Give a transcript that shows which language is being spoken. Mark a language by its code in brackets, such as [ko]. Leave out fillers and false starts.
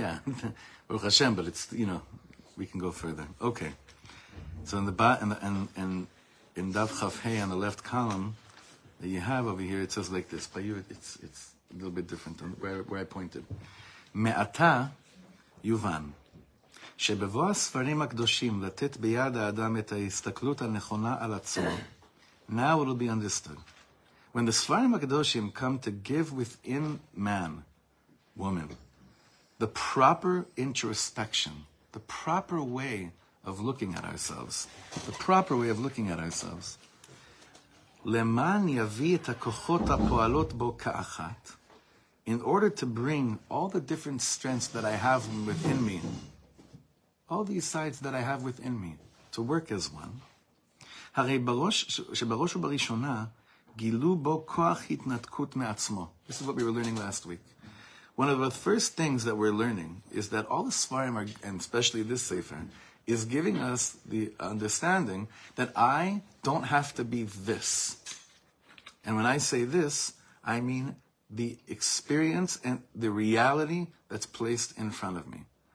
[en] Yeah, Baruch Hashem. But it's, you know, we can go further. Okay. So in the in Dav Chaf Hey on the left column that you have over here, it says like this. By you, it's a little bit different than where I pointed. Me'ata Yuvan. [he] שבבוא הספרים הקדושים לתת ביד האדם את ההסתכלות הנכונה על עצמו. [en] Now it will be understood. When the ספרים הקדושים come to give within man, woman, the proper introspection, the proper way of looking at ourselves, the proper way of looking at ourselves, [he] למען יביא את הכוחות הפועלות בו כאחת, [en] in order to bring all the different strengths that I have within me, all these sides that I have within me, to work as one. [he] הרי בראש, שבראש ובראשונה, גילו בו כוח התנתקות מעצמו. [en] This is what we were learning last week. One of the first things that we're learning is that all the Svarim, and especially this Sefer, is giving us the understanding that I don't have to be this. And when I say this, I mean the experience and the reality that's placed in front of me.